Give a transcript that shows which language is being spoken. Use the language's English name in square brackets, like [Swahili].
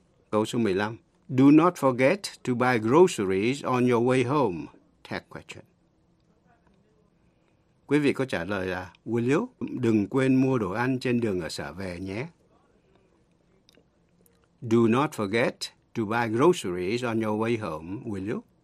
[Vietnamese] Câu số 15. [English] Do not forget to buy groceries on your way home. Tag question. [Vietnamese] Quý vị có trả lời là [English] will you? [Vietnamese] Đừng quên mua đồ ăn trên đường ở sở về nhé. [English] Do not forget to buy groceries on your way home, will you?